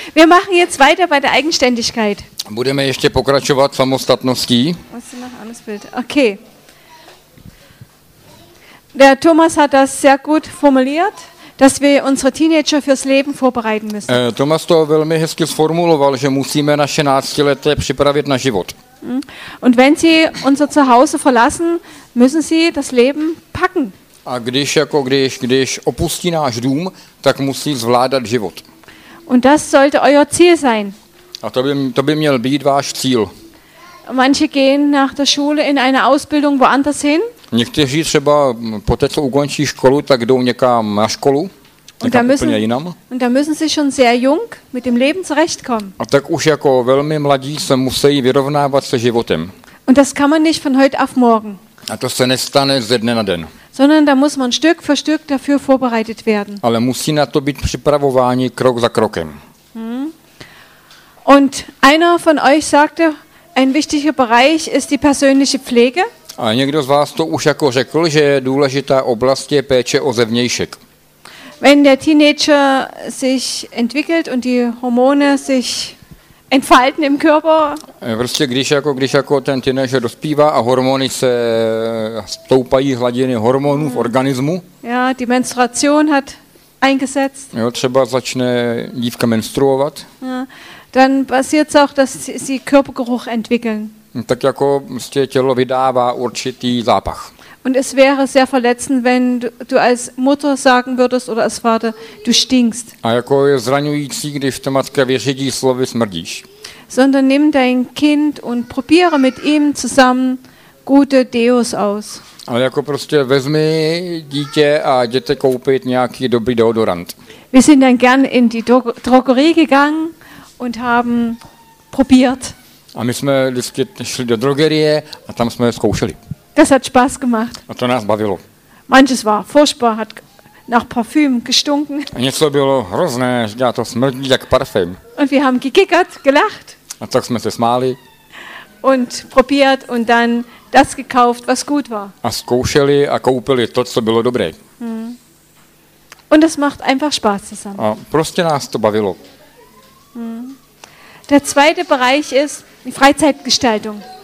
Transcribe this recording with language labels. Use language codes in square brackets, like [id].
[de] Wir machen jetzt weiter bei der Eigenständigkeit. [cs] Budeme ještě pokračovat samostatností. Okay. [de] Der Thomas hat das sehr gut formuliert, dass wir unsere Teenager fürs Leben vorbereiten müssen. [cs] Thomas to velmi hezky sformuloval, že musíme naše náctileté připravit na život. [de] Und wenn sie unser Zuhause verlassen, müssen sie das Leben packen. [cs] A když jako když opustí náš dům, tak musí zvládat život. [de] Und das sollte euer Ziel sein. [cs] A to by měl být váš cíl. [de] Manche gehen nach der Schule in eine Ausbildung woanders hin. [cs] Někteří třeba po té, co ukončí školu, tak jdou někam na školu. [de] Und da müssen sie schon sehr jung mit dem Leben zurechtkommen. [cs] A tak už jako velmi mladí se musí vyrovnávat se životem. [de] Und das kann man nicht von heute auf morgen. [cs] A to se nestane ze dne na den. [de] Sondern da muss man Stück für Stück dafür vorbereitet werden. [cs] Ale musí na to být připravováni krok za krokem. [de] Und einer von euch sagte, ein wichtiger Bereich ist die persönliche Pflege. [cs] A někdo z vás to už jako řekl, že důležitá oblast je péče o zevnějšek. [de] Wenn der Teenager sich entwickelt und die Hormone sich entfalten im Körper. [cs] Prostě když ten teenager dospívá a hormony se stoupají hladiny hormonů v organismu. [de] Ja, die Menstruation hat eingesetzt. [cs] Jo, třeba začne dívka menstruovat. [de] Ja, dann passiert es auch, dass sie Körpergeruch entwickeln. [cs] Tak jako prostě tělo vydává určitý zápach. [de] Und es wäre sehr verletzend, wenn du als Mutter sagen würdest oder als Vater, du stinkst. [cs] A jako je zraňující, když ta matka vyřídí slovy smrdíš. [de] Sondern nimm dein Kind und probiere mit ihm zusammen gute Deos aus. [cs] Ale jako prostě vezmi dítě a jděte koupit nějaký dobrý deodorant. [de] Wir sind dann gern in die Drogerie gegangen und haben probiert. [cs] A my jsme vždycky šli do drogerie a tam jsme zkoušeli. [de] Das hat Spaß gemacht. [cs] A to nás bavilo. [de] Manches war furchtbar, hat nach Parfüm gestunken. [cs] A něco bylo hrozné, já to smrdí jak parfém. [de] Und wir haben gekickert, gelacht. [cs] A tak jsme se smáli. [de] Und probiert und dann das gekauft, was gut war. [cs] A zkoušeli a koupili to, co bylo dobré. [de] Und das macht einfach Spaß zusammen. [cs] A prostě nás to bavilo. [de] Der zweite Bereich ist die Freizeitgestaltung.